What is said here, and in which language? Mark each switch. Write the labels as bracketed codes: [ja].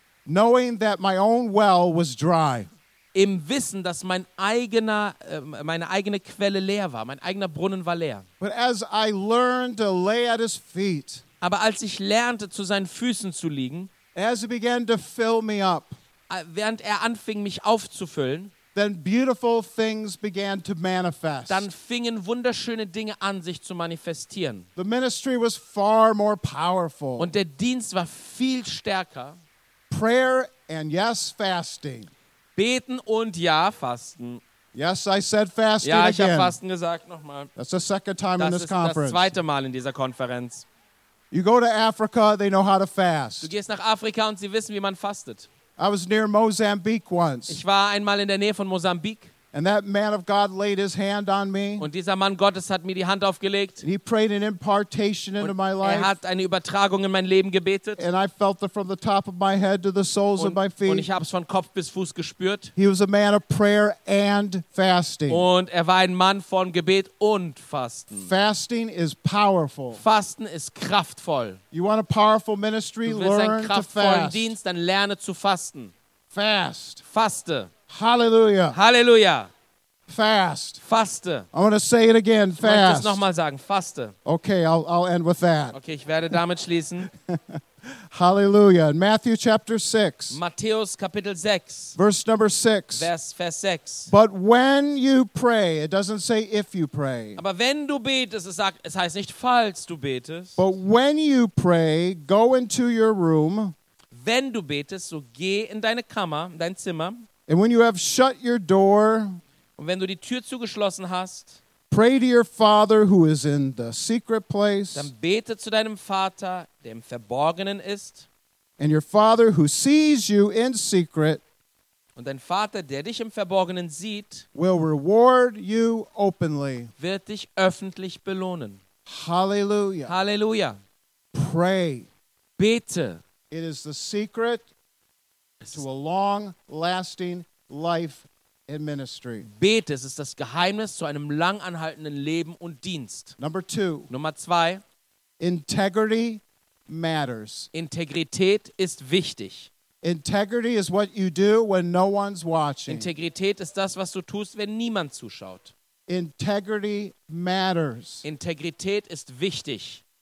[en] Knowing that my own well was dry. [de] Im Wissen, dass meine eigene Quelle leer war, mein eigener Brunnen war leer. [en] But as I learned to lay at his feet. [de] Aber als ich lernte, zu seinen Füßen zu liegen, [en] as he began to fill me up, [de] während anfing, mich aufzufüllen, [en] then beautiful things began to manifest. [de] Dann fingen wunderschöne Dinge an, sich zu manifestieren. [en] The ministry was far more powerful. [de] Und der Dienst war viel stärker. [en] Prayer and yes, fasting. [de] Beten und ja, Fasten. [en] Yes, I said fasting [de] ja, ich [en] again. [de] Habe Fasten gesagt nochmal. [en] That's the second time [de] das [en] in this conference. [de] Das zweite Mal in dieser Konferenz. [en] You go to Africa, they know how to fast. [de] Du gehst nach Afrika und sie wissen, wie man fastet. [en] I was near Mozambique once. [de] Ich war einmal in der Nähe von Mosambik. [en] And that man of God laid his hand on me. [de] Und dieser Mann Gottes hat mir die Hand aufgelegt. [en] And he prayed an impartation into my life. [de] Er hat eine Übertragung in mein Leben gebetet. [en] And I felt it from the top of my head to the soles of my feet. [de] Und ich habe es von Kopf bis Fuß gespürt. [en] He was a man of prayer and fasting. [de] Und war ein Mann von Gebet und Fasten. [en] Fasting is powerful. [de] Fasten ist kraftvoll. [en] You want a powerful ministry? Learn to fast. [de] Du willst einen kraftvollen Dienst? Dann lerne zu fasten. [en] Fast. [de] Faste. Hallelujah. Hallelujah. [en] Fast. [de] Faste. [en] I'm going to say it again. Fast. [de] Ich möchte es nochmal sagen. Faste. [en] Okay, I'll end with that. [de] Okay, ich werde damit schließen. [en] Hallelujah. In Matthew chapter 6. [de] Matthäus Kapitel 6. [en] Verse number 6. [de] Vers 6. [en] But when you pray, it doesn't say if you pray. [de] Aber wenn du betest, es heißt nicht falls du betest. [en] But when you pray, go into your room. [de] Wenn du betest, so geh in deine Kammer, in dein Zimmer. [en] And when you have shut your door, [de] und wenn du die Tür zugeschlossen hast, [en] pray to your Father who is in the secret place. [de] Dann bete zu deinem Vater, der im Verborgenen ist. [en] And your Father who sees you in secret. [de] Und dein Vater, der dich im Verborgenen sieht, [en] will reward you openly. [de] Wird dich öffentlich belohnen. Hallelujah. Hallelujah. [en] Pray. [de] Bete. [en] It is the secret to a long-lasting life in ministry. [de] Bete, es ist das Geheimnis zu einem langanhaltenden Leben und Dienst. [en] Number two. [de] Nummer zwei. [en] Integrity matters. [de] Integrität ist wichtig. [en] Integrity is what you do when no one's watching. [de] Integrität ist das, was du tust, wenn niemand zuschaut. [en] Integrity matters. [de] Integrität ist wichtig.